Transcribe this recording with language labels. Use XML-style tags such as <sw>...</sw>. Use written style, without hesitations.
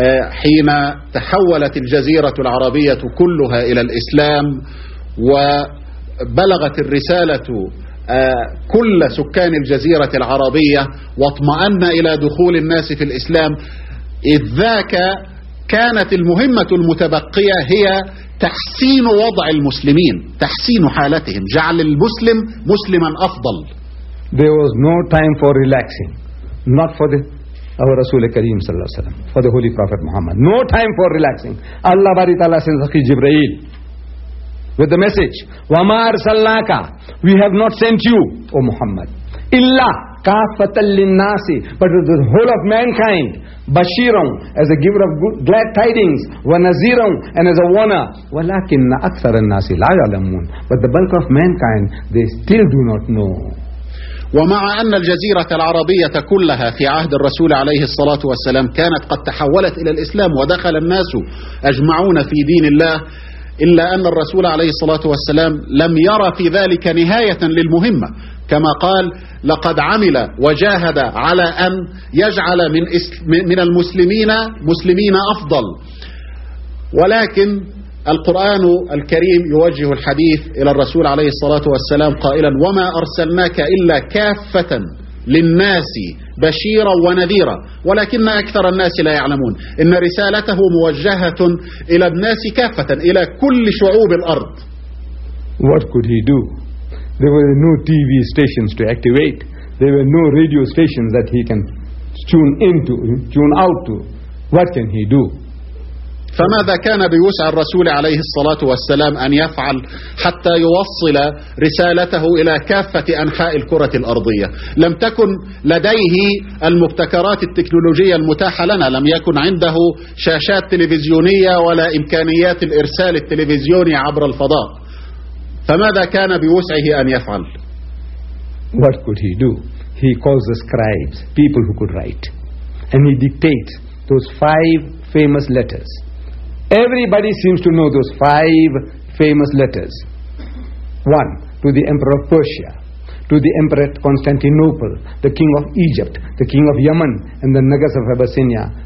<ar>حين تحولت الجزيرة العربية كلها إلى الإسلام وبلغت الرسالة كل سكان الجزيرة العربية واطمأن إلى دخول الناس في الإسلام، إذاك كانت المهمة المتبقية هي تحسين وضع المسلمين، تحسين حالتهم، جعل المسلم مسلما أفضل.</ar> <en>There was no time for relaxing, not for our Rasul Kareem</en> <ar>صلى الله عليه وسلم,</ar> <en>for the Holy Prophet Muhammad. No time for relaxing. Allah bari ta'ala sends Akhi Jibreel with the message,</en> <ar>وَمَا أَرْسَلْنَاكَ,</ar> <en>we have not sent you, O Muhammad,</en> <ar>إِلَّا كَافَةً لِلنَّاسِ,</ar> <en>but to the whole of mankind, Bashiran, as a giver of good, glad tidings,</en> <ar>وَنَزِيرًا,</ar> <en>and as a warner,</en> <ar>وَلَكِنَّ أَكْثَرَ النَّاسِ لَا يَعْلَمُونَ,</ar> <en>but the bulk of mankind, they still do not know.</en> <ar>ومع أن الجزيرة العربية كلها في عهد الرسول عليه الصلاة والسلام كانت قد تحولت إلى الإسلام ودخل الناس أجمعون في دين الله، إلا أن الرسول عليه الصلاة والسلام لم يرى في ذلك نهاية للمهمة، كما قال: لقد عمل وجاهد على أن يجعل من المسلمين مسلمين أفضل. ولكن القرآن الكريم يوجه الحديث إلى الرسول عليه الصلاة والسلام قائلا: وما أرسلناك إلا كافة للناس بشيرا ونذيرا، ولكن أكثر الناس لا يعلمون. إن رسالته موجهة إلى الناس كافة، إلى كل شعوب الأرض.</ar> <en>What could he do? There were no TV stations to activate. There were no radio stations that he can tune into, tune out to. What can he do?</en> <ar>فماذا كان بوسع الرسول عليه الصلاة والسلام أن يفعل حتى يوصل رسالته إلى كافة أنحاء الكرة الأرضية؟ لم تكن لديه المبتكرات التكنولوجية المتاحة لنا، لم يكن عنده شاشات تلفزيونية ولا إمكانيات الإرسال التلفزيوني عبر الفضاء، فماذا كان بوسعه أن يفعل؟</ar> <en>What could he do? He calls the scribes, people who could write, and he dictates those five famous letters. Everybody seems to know those five famous letters. One, to the Emperor of Persia, to the Emperor of Constantinople, the King of Egypt, the King of Yemen, and the Nagas of Abyssinia.</en>